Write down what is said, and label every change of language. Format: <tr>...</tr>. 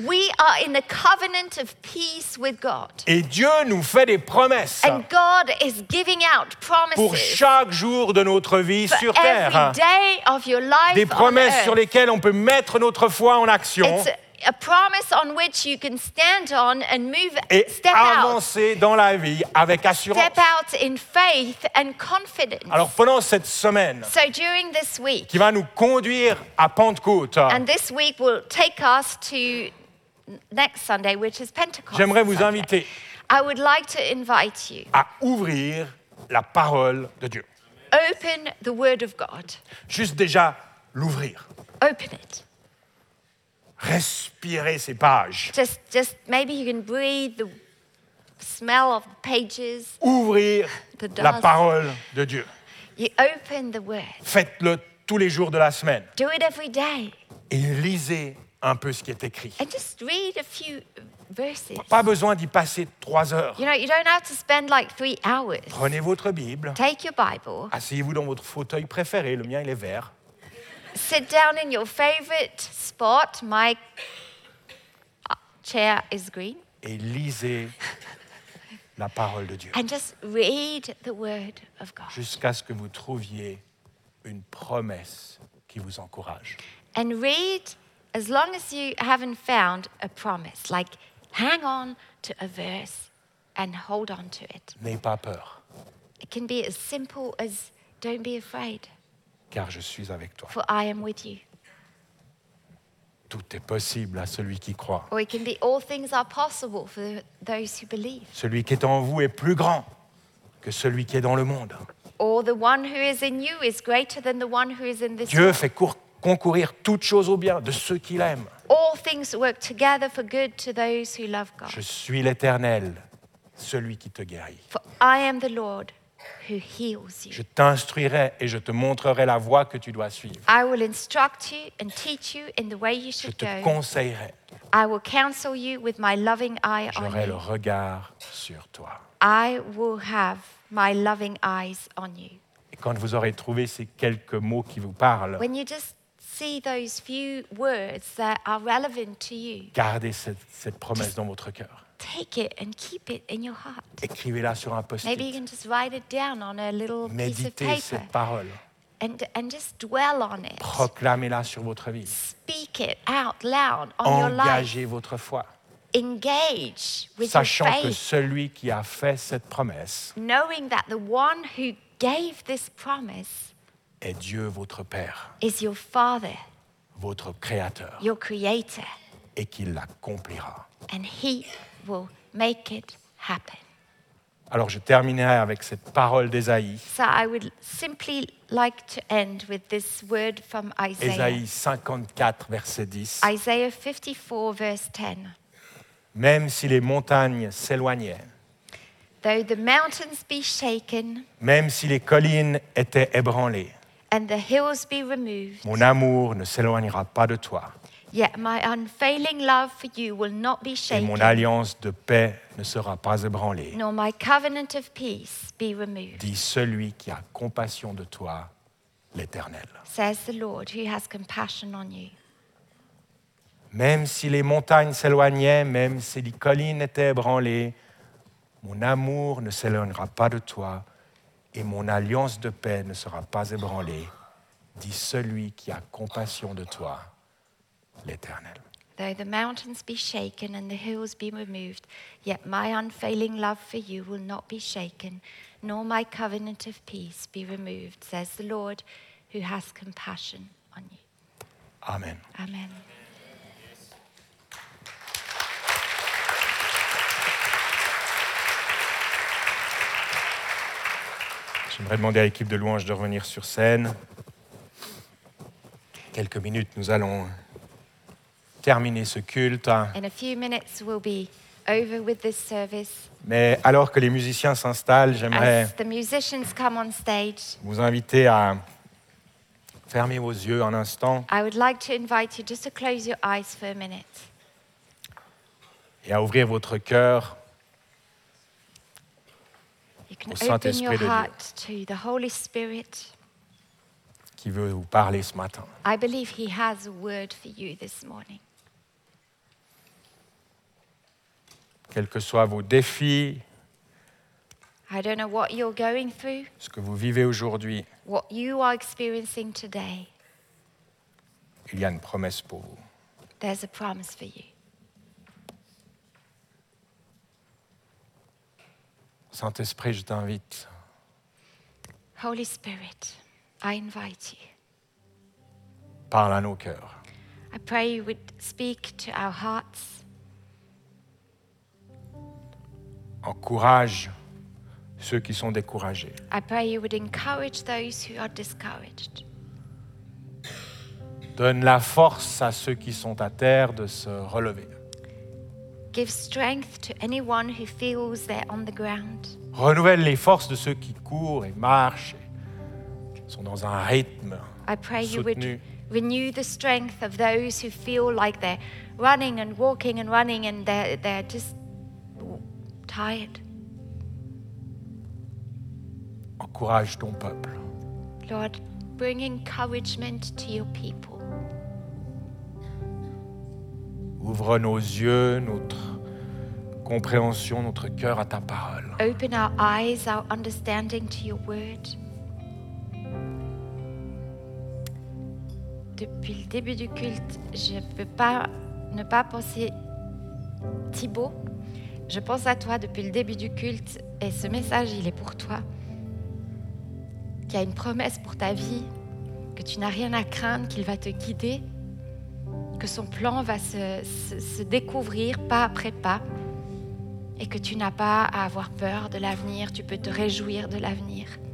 <en>We are in a covenant of peace with God.</en> <fr>Et Dieu nous fait des promesses.</fr> <en>And God is giving out promises.</en> <fr>Pour chaque jour de notre vie</fr> <en>for</en> <fr>sur terre.</fr> <en>Every day of your life</en> <fr>des promesses</fr> <en>on earth.</en> <fr>Sur lesquelles on peut mettre notre foi en action.</fr> <en>It's a promise on which you can stand on and move</en> <fr>et</fr> <en>step</en> <fr>avancer</fr> <en>out,</en> <fr>dans la vie avec assurance</fr> <en>step out in faith and confidence</en> <fr>alors pendant cette semaine</fr> <en>so during this week</en> <fr>qui va nous conduire à Pentecôte</fr> <en>and this week will take us to next Sunday which is Pentecost</en> <fr>j'aimerais vous inviter</fr> <en>I would like to invite you</en> <fr>à ouvrir la parole de Dieu</fr> <en>open the word of God</en> <fr>juste déjà l'ouvrir</fr> <en>open it</en> <fr>Respirez ces pages.</fr> <en>Just maybe you can breathe the smell of the pages.</en> <fr>Ouvrir la parole de Dieu.</fr> <en>You open the word.</en> <fr>Faites-le tous les jours de la semaine.</fr> <en>Do it every day.</en> <fr>Et lisez un peu ce qui est écrit.</fr> <en>And just read a few verses.</en> <fr>Pas besoin d'y passer trois heures.</fr> <en>You know, you don't have to spend like three hours.</en> <fr>Prenez votre Bible.</fr> <en>Take your Bible.</en> <fr>Asseyez-vous dans votre fauteuil préféré. Le mien, il est vert.</fr> <en>Sit down in your favorite spot. My chair is green.</en> <fr>Et lisez la parole de Dieu.</fr> <en>And just read the word of God.</en> <fr>Jusqu'à ce que vous trouviez une promesse qui vous encourage.</fr> <en>And read As long as you haven't found a promise, like hang on to a verse and hold on to it.</en> <fr>N'aie pas peur.</fr> <en>It can be as simple as don't be afraid.</en> <fr>Car je suis avec toi.</fr> <en>For I am with you.</en> <fr>Tout est possible à celui qui croit.</fr> <en>Or it can be all things are possible for those who believe.</en> <fr>Celui qui est en vous est plus grand que celui qui est dans le monde.</fr> <en>Or the one who is in you is greater than the one who is in this</en> <fr>Dieu fait concourir toutes choses au bien de ceux qu'il aime.</fr> <en>All things work together for good to those who love God.</en> <fr>Je suis l'Éternel, celui qui te guérit.</fr> <en>For I am the Lord who heals you.</en> <fr>Je t'instruirai et je te montrerai la voie que tu dois suivre.</fr> <en>I will instruct you and teach you in the way you should go.</en> <fr>Je te conseillerai.</fr> <en>I will counsel you with my loving eye on you.</en> <fr>J'aurai le regard sur toi.</fr> <en>I will have my loving eyes on you.</en> <fr>Et quand vous aurez trouvé ces quelques mots qui vous parlent,</fr> <en>when you just see those few words that are relevant to you,</en> <fr>gardez cette promesse dans votre cœur.</fr> <en>Take it and keep it in your heart.</en> <fr>Écrivez-la sur un post-it.</fr> <en>Maybe you can just write it down on a little</en> <fr>Méditez</fr> <en>piece of paper.</en> <fr>Cette parole.</fr> <en>And just dwell on it.</en> <fr>Proclamez-la sur votre vie.</fr> <en>Speak it out loud on</en> <fr>Engagez</fr> <en>your life.</en> <fr>Engagez votre foi.</fr> <en>Engage with</en> <fr>Sachant</fr> <en>your faith.</en> <fr>Sachant que celui qui a fait cette promesse.</fr> <en>Knowing that the one who gave this promise.</en> <fr>Est Dieu votre Père.</fr> <en>Is your Father.</en> <fr>Votre Créateur.</fr> <en>Your Creator.</en> <fr>Et qu'il l'accomplira.</fr> <en>And he will make it happen.</en> <fr>Alors je terminerai avec cette parole d'Ésaïe.</fr> <en>So I would simply like to end with this word from Isaiah.</en> <fr>Ésaïe 54 verset 10.</fr> <en>Isaiah 54 verse 10.</en> <fr>Même si les montagnes s'éloignaient.</fr> <en>Though the mountains be shaken.</en> <fr>Même si les collines étaient ébranlées.</fr> <en>And the hills be removed.</en> <fr>Mon amour ne s'éloignera pas de toi.</fr> <en>Yet my unfailing love for you will not be shaken.</en> <fr>Et mon alliance de paix ne sera pas ébranlée.</fr> <en>Nor my covenant of peace be removed.</en> <fr>Dit celui qui a compassion de toi, l'Éternel.</fr> <en>Says the Lord who has compassion on you.</en> <fr>Même si les montagnes s'éloignaient, même si les collines étaient ébranlées, mon amour ne s'éloignera pas de toi et mon alliance de paix ne sera pas ébranlée. Dit celui qui a compassion de toi. L'Éternel.</fr> <en>Though the mountains be shaken and the hills be removed, yet my unfailing love for you will not be shaken, nor my covenant of peace be removed, says the Lord, who has compassion on you. Amen. Amen.</en> <fr>J'aimerais demander à l'équipe de louange de revenir sur scène. Quelques minutes, nous allons terminer ce culte.</fr> <en>In a few minutes, we'll be over with this service.</en> <fr>Mais alors que les musiciens s'installent, j'aimerais</fr> <en>As the musicians come on stage,</en> <fr>vous inviter à fermer vos yeux un instant.</fr> <en>I would like to invite you just to close your eyes for a minute.</en> <fr>Et à ouvrir votre cœur au Saint-Esprit de Dieu.</fr> <en>To the Holy Spirit.</en> <fr>Qui veut vous parler ce matin.</fr> <en>I believe he has a word for you this morning.</en> <fr>Quels que soient vos défis,</fr> <en>I don't know what you're going through,</en> <fr>ce que vous vivez aujourd'hui,</fr> <en>what you are experiencing today,</en> <fr>il y a une promesse pour vous.</fr> <en>There's a promise for you.</en> <fr>Saint-Esprit, je t'invite.</fr> <en>Holy Spirit, I invite you.</en> <fr>Parle à nos cœurs.</fr> <en>I pray you would speak to our hearts.</en> <fr>Encourage ceux qui sont découragés.</fr> <en>I pray you would encourage those who are discouraged.</en> <fr>Donne la force à ceux qui sont à terre de se relever.</fr> <en>Give strength to anyone who feels they're on the ground.</en> <fr>Renouvelle les forces de ceux qui courent et marchent et sont dans un rythme soutenu.</fr> <en>I pray</en> <fr>soutenu.</fr> <en>You would renew the strength of those who feel like they're running and walking and running and they're just tired.</en> <fr>Encourage ton peuple.</fr> <en>Lord, bring encouragement to your people.</en> <fr>Ouvre nos yeux, notre compréhension, notre cœur à ta parole.</fr> <en>Open our eyes, our understanding to your word.</en> <fr>depuis le début du culte, je ne peux pas ne pas penser Thibaut. Je pense à toi depuis le début du culte et ce message, il est pour toi. Qu'il y a une promesse pour ta vie, que tu n'as rien à craindre, qu'il va te guider, que son plan va se découvrir pas après pas et que tu n'as pas à avoir peur de l'avenir, tu peux te réjouir de l'avenir.</fr>